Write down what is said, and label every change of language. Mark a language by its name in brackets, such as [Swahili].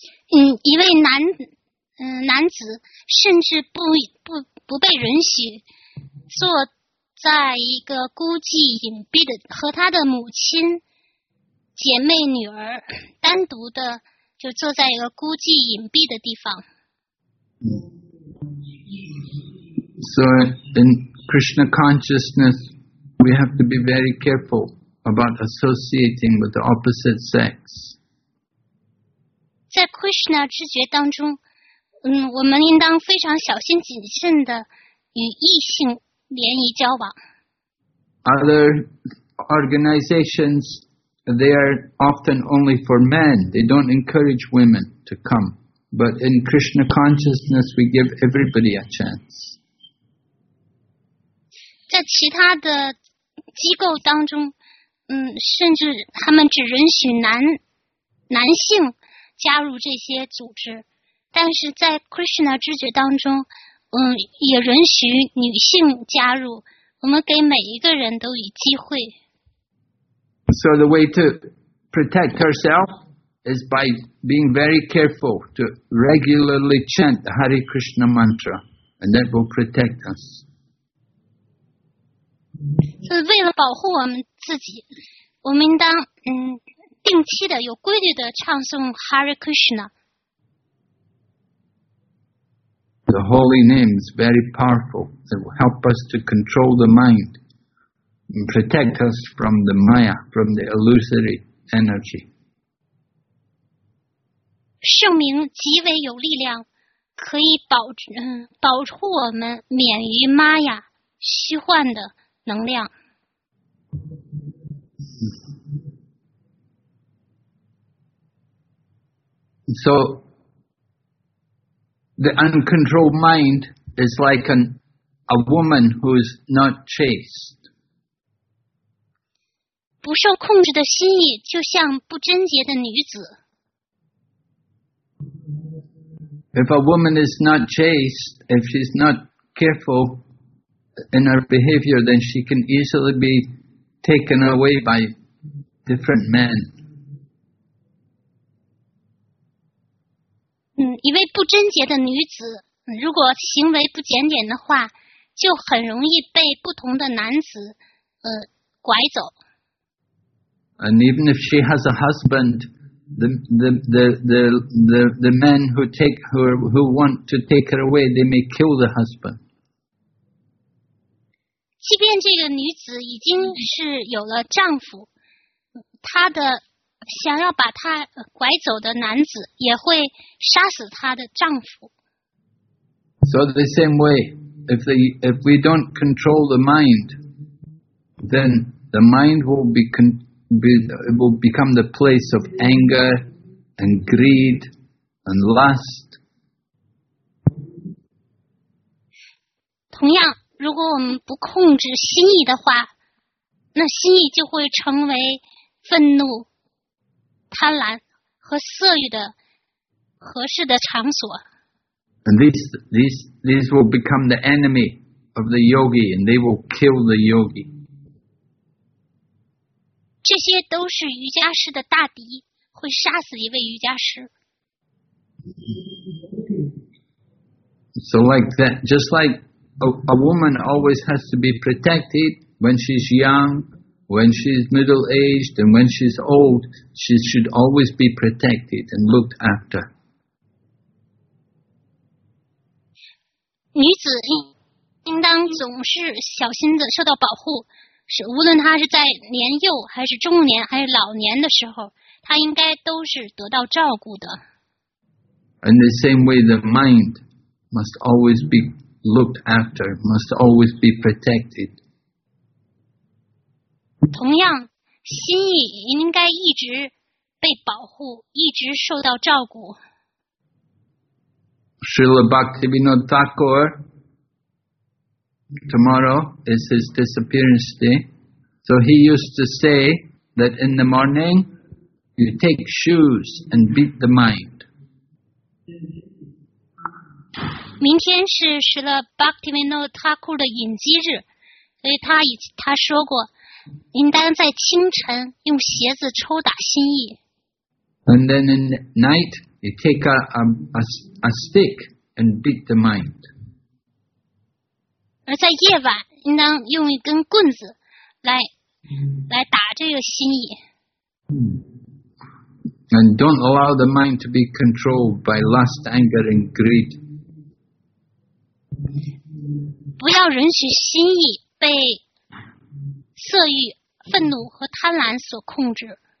[Chinese] 一位男子甚至不被允许坐在一个孤寂隐蔽的和他的母亲、姐妹、女儿单独的就坐在一个孤寂隐蔽的地方。 [English] So in Krishna consciousness, we have to be very careful about associating with the opposite sex. [Chinese] 在 Krishna 知觉当中，我们应当非常小心谨慎的与异性联谊交往。 [English] Other organizations, they are often only for men. They don't encourage women to come. But in Krishna consciousness, we give everybody a chance. [Chinese] 在其他的机构当中，甚至他们只允许男性加入这些组织。但是在 Krishna 知觉当中，也允许女性加入，我们给每一个人都以机会。 [English] So the way to protect herself is by being very careful to regularly chant the Hare Krishna mantra, and that will protect us. [Chinese] 所以为了保护我们自己，我们应当定期的、有规律的唱诵 Hare Krishna。 [English] The holy name is very powerful. It will help us to control the mind and protect us from the maya, from the illusory energy. [Chinese] 圣名极为有力量，可以保护我们免于玛雅虚幻的能量。 [English] So,The uncontrolled mind is like a woman who is not chaste. [Chinese] 不受控制的心意就像不贞洁的女子。 [English] If a woman is not chaste, if she's not careful in her behavior, then she can easily be taken away by different men. [Chinese] 一位不贞洁的女子，如果行为不检点的话，就很容易被不同的男子，拐走。 [English] And even if she has a husband, the men who take her, who want to take her away, they may kill the husband. [Chinese] 即便这个女子已经是有了丈夫，她的想要把她拐走的男子也会杀死她的丈夫。 [English] So the same way, if we don't control the mind, then the mind will become the place of anger and greed and lust. [Chinese] 同样，如果我们不控制心意的话，那心意就会成为愤怒。贪婪和色欲的合适的场所。 [English] And these will become the enemy of the yogi, and they will kill the yogi. [Chinese] 这些都是瑜伽师的大敌，会杀死一位瑜伽师。 [English] So like that, just like a woman always has to be protected when she's young, when she's middle-aged, and when she's old, she should always be protected and looked after. [Chinese] 女子应当总是小心地受到保护，是无论她是在年幼还是中年还是老年的时候，她应该都是得到照顾的。 [English] In the same way, the mind must always be looked after, must always be protected. [Chinese] 同样，心也应该一直被保护，一直受到照顾。 [English] Srila Bhaktivinoda Thakur, tomorrow is his disappearance day. So he used to say that in the morning, you take shoes and beat the mind. [Chinese] 明天是时了 Bhaktivinoda Thakur 的隐居日，所以他说过，应当在清晨用鞋子抽打心意。 [English] And then in the night, you take a stick and beat the mind. [Chinese] 而在夜晚，应当用一根棍子来打这个心意。 [English] And don't allow the mind to be controlled by lust, anger, and greed. [Chinese] 不要允许心意被色欲、愤怒和贪婪所控制。